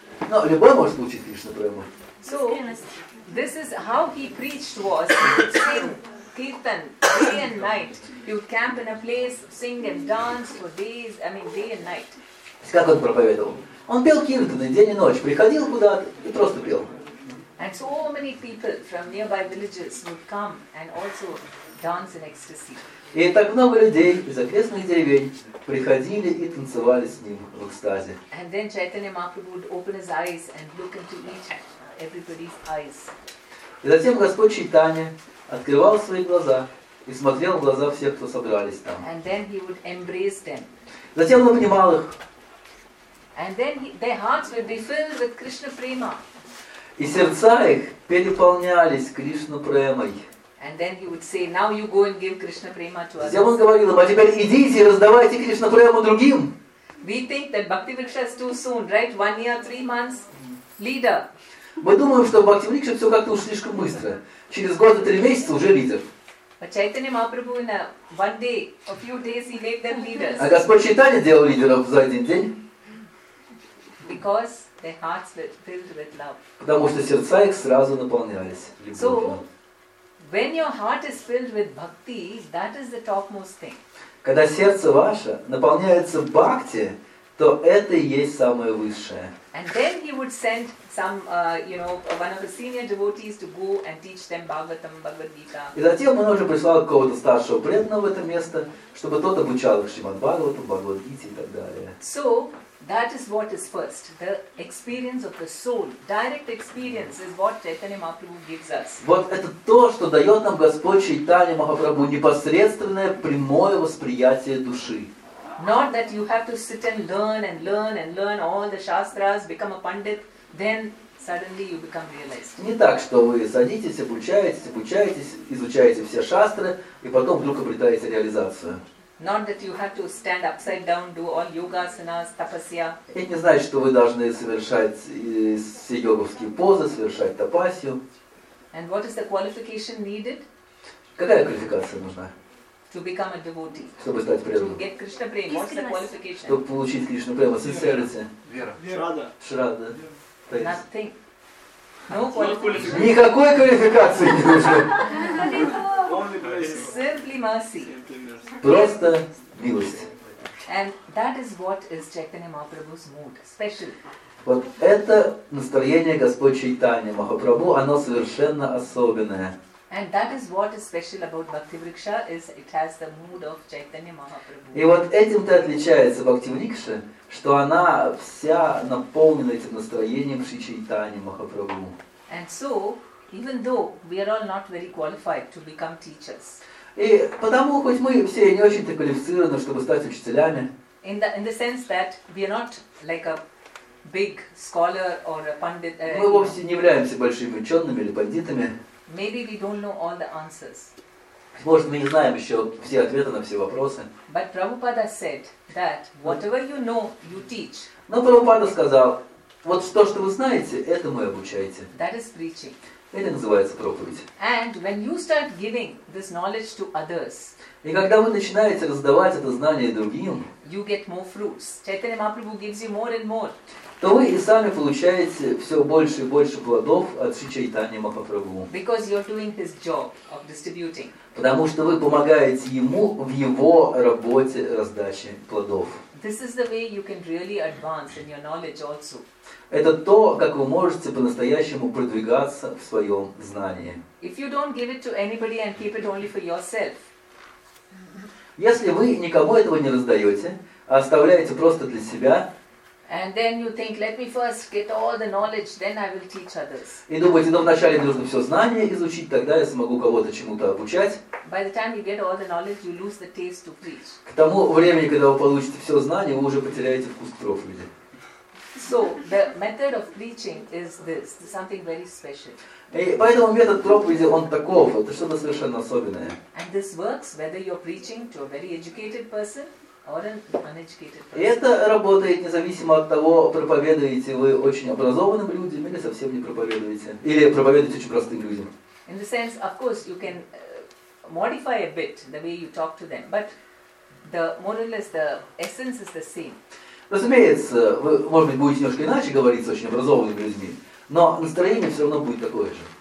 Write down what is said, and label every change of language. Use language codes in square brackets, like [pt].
[ru] No, любой может получить Кришна Прему. [en] So this is how he preached was sing kirtan day and night. You camp in a place, sing and dance for days. I mean day and night. [ru] Как он проповедовал? Он пел киртаны день и ночь. Приходил куда-то и просто пел. [en] And so many people from nearby villages would come and also dance in ecstasy. [ru] И так много людей из окрестных деревень приходили и танцевали с ним в экстазе. [en] And then Chaitanya Mahaprabhu would open his eyes and look into each everybody's eyes. [ru] И затем Господь Чайтанья открывал свои глаза и смотрел в глаза всех, кто собрались там. [en] And then he would embrace them. [ru] Затем он обнимал их. [en] And then their hearts would be filled with Krishna prema. [ru] И сердца их переполнялись Кришна премой. [en] And then he would say, "Now you go and give Krishna prema to others." [ru] Затем он говорил им: "А теперь идите и раздавайте Кришна прему другим." [en] We think that Bhakti Vriksha is too soon, right? 1 year, 3 months, leader. [ru] Мы думаем, что Бхакти Врикша все как-то уж слишком быстро. Через год и 3 месяца уже лидер. [en] But Chaitanya Mahaprabhu in a one day, a few days, he made them leaders. [ru] А Господь Чайтанья делал лидеров за один день? [en] Because their hearts were filled with love. [ru] Потому что сердца их сразу наполнялись любовью. [en] When your heart is filled with bhakti, that is the topmost thing. [ru] Когда сердце ваше наполняется бхакти, то это и есть самое высшее. [en] And then he would send some, one of the senior devotees to go and teach them Bhagavatam, Bhagavad Gita. [ru] И затем он уже прислал кого-то старшего преданного в это место, чтобы тот обучал их Шримад Бхагаватам, Бхагавад Гите и так далее. [en] So that is what is first, the experience of the soul. Direct experience is what Chaitanya Mahaprabhu gives us. [ru] Вот это то, что дает нам Господь Чайтанья Махапрабху, непосредственное прямое восприятие души. [en] Not that you have to sit and learn and learn and learn all the shastras, become a pandit, then suddenly you become realized. [ru] Не так, что вы садитесь, обучаетесь, изучаете все шастры, и потом вдруг обретаете реализацию. [en] Not that you have to stand upside down, do all yoga, asanas, tapasya. [ru] Это не значит, что вы должны совершать все йоговские позы, совершать тапасию. [en] And what is the qualification needed? [ru] Какая квалификация нужна? [en] To become a devotee. [ru] Чтобы стать преданным. [en] To get Krishna prema. What is the qualification? [ru] Чтобы получить Кришну прему. [en] Sincerity. [ru] Вера. Шрада. [en] Nothing. No qualification. [ru] Никакой квалификации не нужно. [en] Simply mercy. [ru] Просто милость. [en] And that is what is Chaitanya Mahaprabhu's mood, special. [ru] Вот это настроение Господь Чайтанья Махапрабху, оно совершенно особенное. [en] And that is what is special about Bhakti Vriksha, is it has the mood of Chaitanya Mahaprabhu. [ru] И вот этим-то отличается Бхакти Врикша, что она вся наполнена этим настроением Шри Чайтанья Махапрабху. [en] And so, even though we are all not very qualified to become teachers. [ru] И потому, хоть мы все не очень-то квалифицированы, чтобы стать учителями. [en] In the sense that we are not like a big scholar or a pandit. [ru] Мы вовсе не являемся большими учеными или пандитами. [en] Maybe we don't know all the answers. [ru] Может, мы не знаем еще все ответы на все вопросы. [en] But Prabhupada said that whatever you know, you teach. [ru] Но Прабхупада сказал, вот то, что вы знаете, это мы обучаете. [en] That is preaching. [ru] Это называется проповедь. [en] And when you start giving this knowledge to others, [ru] и когда вы начинаете раздавать это знание другим, [en] you get more fruits. Chaitanya Mahaprabhu gives you more and more. [ru] То вы и сами получаете все больше и больше плодов от Шри Чайтанья Махапрабху. [en] Because you're doing his job of distributing. [ru] Потому что вы помогаете ему в его работе раздачи плодов. [en] This is the way you can really advance in your knowledge also. [ru] Это то, как вы можете по-настоящему продвигаться в своем знании. [en] If you don't give it to anybody and keep it only for yourself. [ru] Если вы никому этого не раздаете, а оставляете просто для себя. [en] And then you think, let me first get all the knowledge, then I will teach others. [ru] И думаете, ну вначале нужно все знание изучить, тогда я смогу кого-то чему-то обучать. [en] By the time you get all the knowledge, you lose the taste to preach. [ru] К тому времени, когда вы получите все знание, вы уже потеряете вкус к проповеди. [en] So the method of preaching is this, something very special. [ru] И поэтому метод проповеди, он таков, это что-то совершенно особенное. [en] And this works whether you're preaching to a very educated person. Or an uneducated person. [ru] И это работает независимо от того, проповедуете вы очень образованным людям или совсем не проповедуете. Или проповедуете очень простым людям. [en] In the sense, of course, you can modify a bit the way you talk to them, but the more or less the essence is the same. [ru] Разумеется, вы, может быть, будете немножко иначе говорить с очень образованными людьми, но настроение все равно будет такое же.